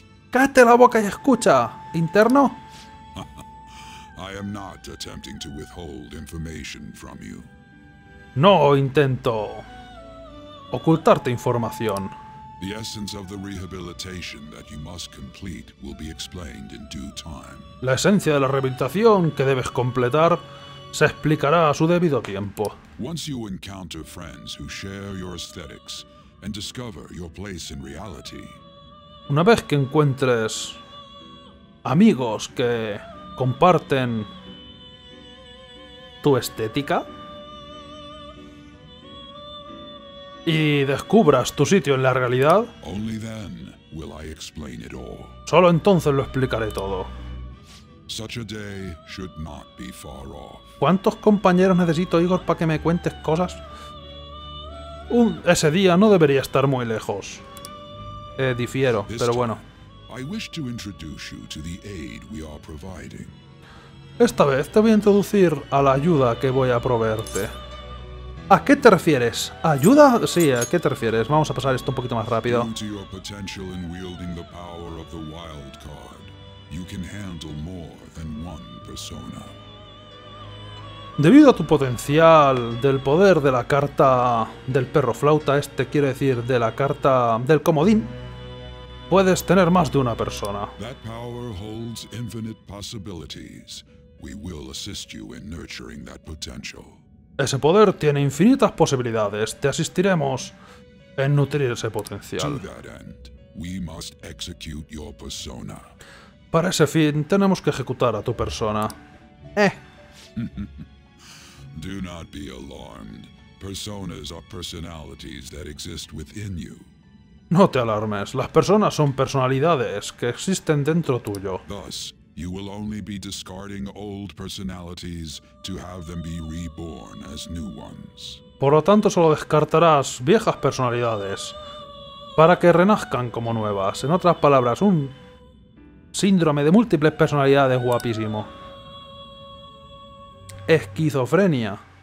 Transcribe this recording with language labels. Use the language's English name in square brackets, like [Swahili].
[Spanish] ¡Cállate la boca y escucha, interno! [English] I am not attempting to withhold information from you. [Spanish] No intento ocultarte información. [English] The essence of the rehabilitation that you must complete will be explained in due time. [Spanish] La esencia de la rehabilitación que debes completar se explicará a su debido tiempo. [English] Once you encounter friends who share your aesthetics and discover your place in reality. [Spanish] Una vez que encuentres amigos que comparten tu estética y descubras tu sitio en la realidad, [English] only then will I explain it all. [Spanish] Solo entonces lo explicaré todo. [English] Such a day should not be far off. [Spanish] ¿Cuántos compañeros necesito, Igor, para que me cuentes cosas? Ese día no debería estar muy lejos. Difiero, pero bueno. [English] I wish to introduce you to the aid we are providing. [Spanish] Esta vez te voy a introducir a la ayuda que voy a proveerte. ¿A qué te refieres? ¿Ayuda? Sí, ¿a qué te refieres? Vamos a pasar esto un poquito más rápido. [English] Due to your potential in wielding the power of the wild card, you can handle more than one persona. [Spanish] Debido a tu potencial del poder de la carta del perro flauta, este quiere decir de la carta del comodín, puedes tener más de una persona. [English] That power holds infinite possibilities. We will assist you in nurturing that potential. [Spanish] Ese poder tiene infinitas posibilidades. Te asistiremos en nutrir ese potencial. [English] To that end, we must execute your persona. [Spanish] Para ese fin, tenemos que ejecutar a tu persona. [English] Do not be alarmed. Personas are personalities that exist within you. [Spanish] No te alarmes. Las personas son personalidades que existen dentro tuyo. [English] Thus, you will only be discarding old personalities to have them be reborn as new ones. [Spanish] Por lo tanto, solo descartarás viejas personalidades para que renazcan como nuevas. En otras palabras, un síndrome de múltiples personalidades guapísimo. Esquizofrenia.